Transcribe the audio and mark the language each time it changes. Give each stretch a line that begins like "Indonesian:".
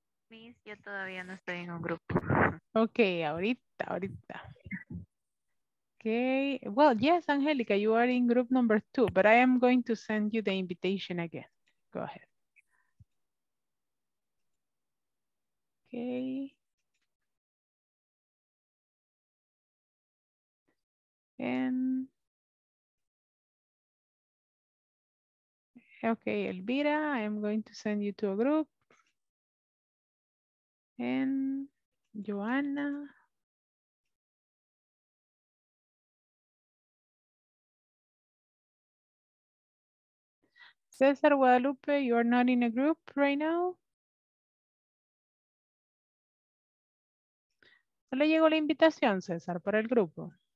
Spanish: Miss, yo todavía no estoy en un grupo. Okay, ahorita.
English: Okay, well, yes, Angelica, you are in group number 2, but I am going to send you the invitation again. Go ahead. Okay. And okay, Elvira, I'm going to send you to a group. And Joanna. Cesar Guadalupe, you are not in a group right now.
Spanish: ¿No le llegó la invitación, Cesar, para el grupo?